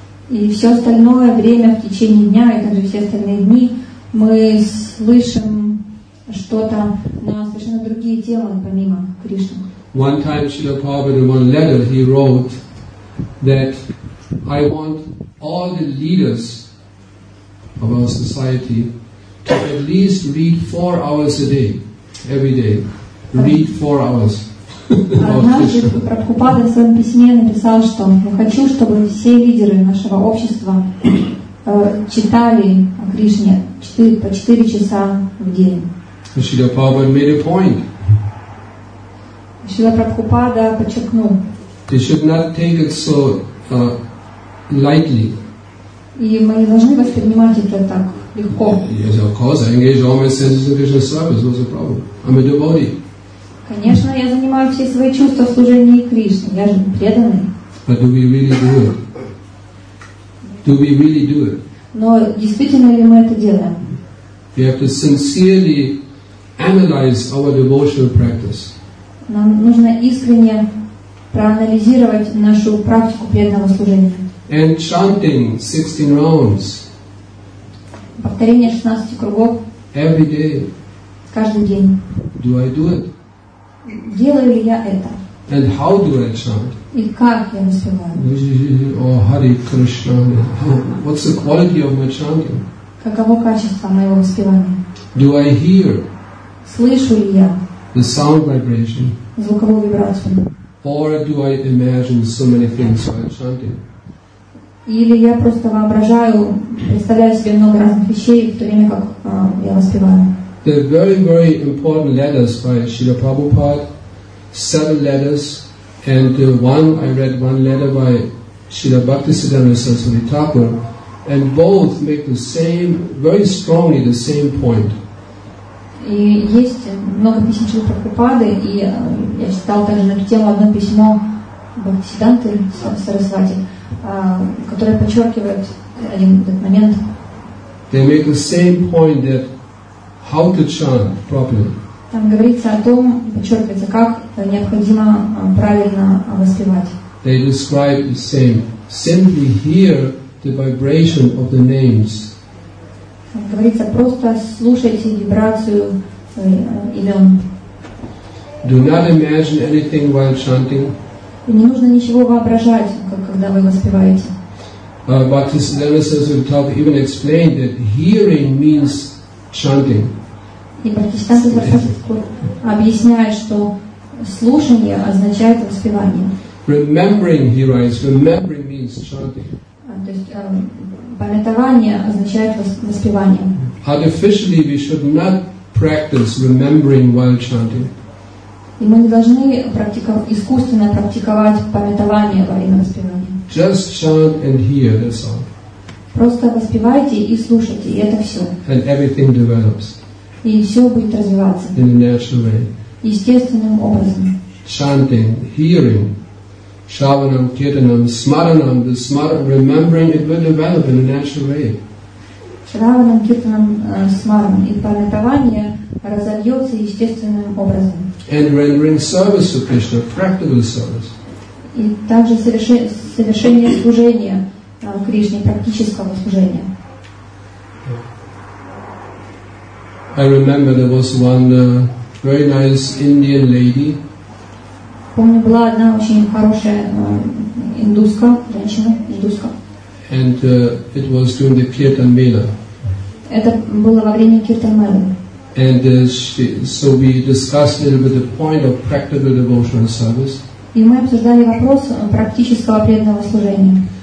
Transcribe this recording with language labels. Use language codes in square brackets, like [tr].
[ru] И все остальное время в течение дня и даже все остальные дни мы слышим что-то на совершенно другие темы помимо Кришны. [en] One time Srila Prabhupada, in one letter, he wrote that I want all the leaders of our society to at least read 4 hours a day, every day. Read 4 hours. [ru] Однажды Прабхупада в своем письме написал, что я хочу, чтобы все лидеры нашего общества читали о Кришне по 4 часа в день. [en] Шрила Прабхупада made a point. [ru] Шрила Прабхупада подчеркнул. [en] They should not take it so lightly. [ru] И мы не должны воспринимать это так легко. [en] Yes, of course, I engage all my senses in Krishna service. What's the problem? I'm a devotee. [ru] Конечно, я занимаю все свои чувства в служении Кришне. Я же преданный. [en] But do we really do it? Do we really do it? [ru] Но действительно ли мы это делаем? [en] We have to sincerely analyze our devotional practice. [ru] Нам нужно искренне проанализировать нашу практику преданного служения. [en] And chanting 16 rounds. [ru] Повторение 16 кругов. [en] Every day. [ru] Каждый день. [en] Do I do it? [ru] Делаю ли я это? [en] And how do I chant? [ru] И как я воспеваю? [en] Oh, Hare Krishna. What's the quality of my chanting? [ru] Каково качество моего воспевания? [en] Do I hear? [ru] Слышу ли я? [en] The sound vibration. [ru] Звуковую вибрацию. [en] Or do I imagine so many things while chanting? [ru] Или я просто воображаю, представляю себе много разных вещей в то время, как я воспеваю. [en] The very, very important letters by Srila Prabhupada, 7 letters, and I read one letter by Srila Bhaktisiddhanta Saraswati Thakur, and both make the same, very strongly the same point. [ru] И есть много писем Шрилы Прабхупады, и я читал также на эту тему одно письмо Бхактисиддханты Сарасвати, которое подчеркивает один этот момент. [en] They make the same point that how to chant properly. [ru] Там говорится о том, подчеркивается, как необходимо правильно воспевать. [en] They describe the same. Simply hear the vibration of the names. [ru] Там говорится, просто слушайте вибрацию имен. [en] Do not imagine anything while chanting. [ru] И не нужно ничего воображать, когда вы воспеваете. [en] Bhaktisiddhanta Saraswati Thakur even explained that hearing means chanting. [ru] И Бхактисиддханта Сарасвати объясняет, что слушание означает воспевание. [en] Remembering, he writes, remembering means chanting. [ru] То есть памятование означает воспевание. [en] Artificially, we should not practice remembering while chanting. [ru] И мы не должны искусственно практиковать памятование во время воспевания. [en] Just chant and hear, that's all. [ru] Просто воспевайте и слушайте, и это все. [en] And everything develops. [ru] И все будет развиваться. [en] In a natural way. [ru] Естественным образом. [en] Chanting, hearing, shravanam, kirtanam, smaranam, the smaranam, remembering, it will develop in a natural way. [ru] Shravanam, kirtanam, smaranam, и памятование разовьется естественным образом. [en] And rendering service to Krishna, practical service. [ru] И также совершение служения Кришне, практического служения. [en] I remember there was one very nice Indian lady. [ru] Помню, была одна очень хорошая индуска, женщина, индуска. [en] And it was during the Kirtan Mela. [ru] Это было во время Kirtan Mela. [en] And we discussed a little bit the point of practical devotional service. [ru] И мы обсуждали вопрос практического преданного служения.